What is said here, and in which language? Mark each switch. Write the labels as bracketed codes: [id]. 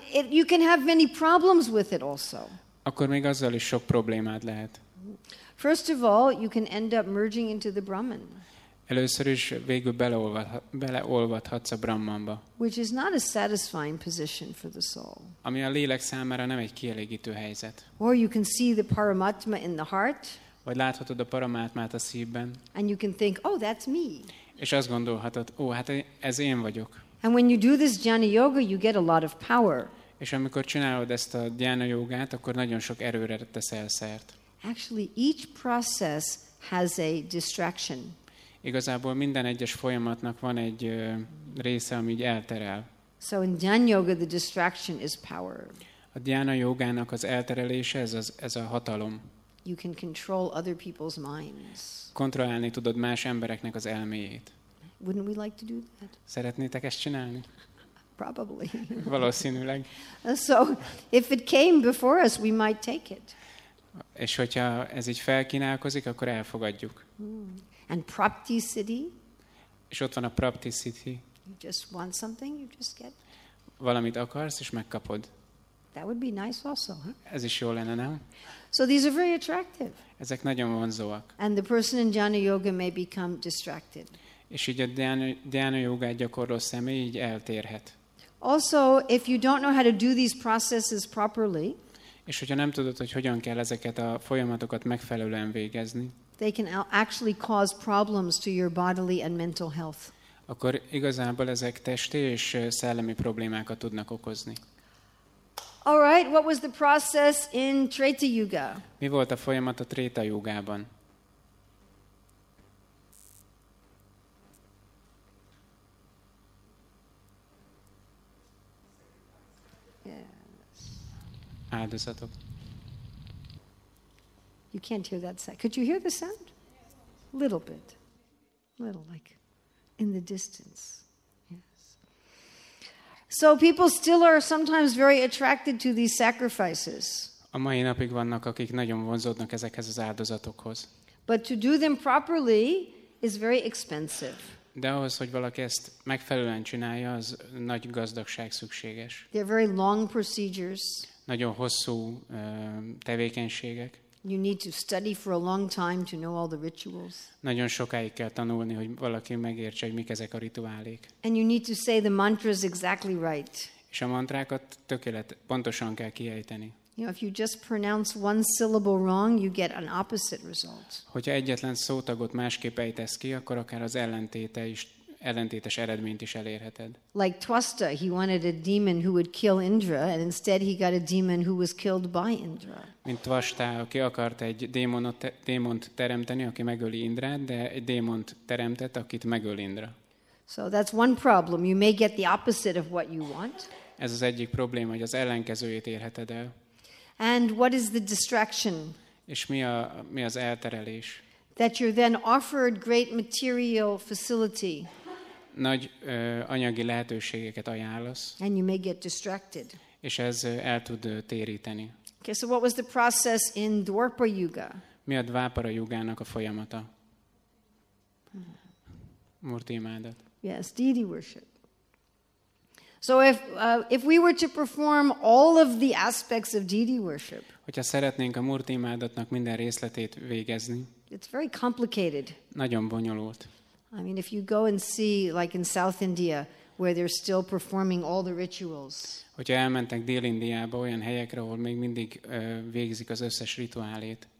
[en] You can have many problems with it also. [hu] Akkor még azzal is sok problémád lehet. [en] First of all, you can end up merging into the Brahman. [hu] Először is végül beleolvadhatsz a Brahmanba. [en] Which is not a satisfying position for the soul. [hu] Ami a lélek számára nem egy kielégítő helyzet. [en] Or you can see the Paramatma in the heart. [hu] Vagy láthatod a Paramátmát a szívben. [en] And you can think, oh, that's me. [hu] És azt gondolhatod, ó, hát ez én vagyok. [en] And when you do this jnana yoga, you get a lot of power. [hu] És amikor csinálod ezt a jnana jogát, akkor nagyon sok erőre teszel szert. [en] Actually, each process has a distraction. [hu] Igazából minden egyes folyamatnak van egy része, ami így elterel. [en] So in jnana yoga, the distraction is power. [hu] A jnana jogának az elterelése, ez a hatalom. [en] You can control other people's minds. [hu] Kontrollálni tudod más embereknek az elméjét. [en] Wouldn't we like to do that? [hu] Szeretnétek ezt csinálni? [en] Probably. [hu] Valószínűleg. [en] So, if it came before us, we might take it. [hu] És hogyha ez így felkínálkozik, akkor elfogadjuk. [en] And Prapti City? [hu] És ott van a Prapti City. [en] You just want something, you just get. [hu] Valamit akarsz, és megkapod. [en] That would be nice also. Huh? [hu] Ez is jó lenne, nem? [en] So these are very attractive. [hu] Ezek nagyon vonzóak. [en] And the person in jnana yoga may become distracted. [hu] És így a jnana jogát gyakorló személy így eltérhet. [en] Also, if you don't know how to do these processes properly, [hu] és hogyha nem tudod, hogy hogyan kell ezeket a folyamatokat megfelelően végezni, [en] they can actually cause problems to your bodily and mental health. [hu] Akkor igazából ezek testi és szellemi problémákat tudnak okozni. [en] All right, what was the process in Treta Yuga? [hu] Mi volt a folyamat a Treta Yugában? [en] Yes. [hu] Áldozatok. [en] You can't hear that sound. Could you hear the sound? Little bit. Little, like in the distance. So people still are sometimes very attracted to these sacrifices. [hu] A mai napig vannak, akik nagyon vonzódnak ezekhez az áldozatokhoz. [en] But to do them properly is very expensive. [hu] De ahhoz, hogy valaki ezt megfelelően csinálja, az nagy gazdagság szükséges. [en] They're very long procedures. [hu] Nagyon hosszú tevékenységek. [en] You need to study for a long time to know all the rituals. [hu] Nagyon sokáig kell tanulni, hogy valaki megértse, hogy mik ezek a rituálék. [en] And you need to say the mantras exactly right. [hu] És a mantrákat pontosan kell kiejteni. [en] You know, if you just pronounce one syllable wrong, you get an opposite result. [hu] Hogyha egyetlen szótagot másképp ejtesz ki, akkor akár az ellentétes eredményt is elérheted. [en] Like Twasta, he wanted a demon who would kill Indra, and instead he got a demon who was killed by Indra. [hu] Mint Twasta, aki akart egy démont teremteni, aki megöli Indrát, de egy démont teremtett, akit megöl Indra. [en] So that's one problem. You may get the opposite of what you want. [hu] Ez az egyik probléma, hogy az ellenkezőjét érheted el. [en] And what is the distraction? [hu] És mi az elterelés? [en] That you're then offered great material facility. [hu] Nagy anyagi lehetőségeket ajánlasz. [en] And you may get distracted. [hu] És ez el tud téríteni. [en] Okay, so what was the process in Dwapara Yuga? [hu] Mi a Dwapara Yugának a folyamata? Murti imádat. [en] Yes, deity worship. So if we were to perform all of the aspects of deity worship. [hu] Hogyha szeretnénk a Murti imádatnak minden részletét végezni. [en] It's very complicated. [hu] Nagyon bonyolult. [en] I mean, if you go and see, like in South India, where they're still performing all the rituals. [hu] Hogyha elmentek Dél-Indiába, olyan helyekre, ahol még mindig végzik az összes rituálét.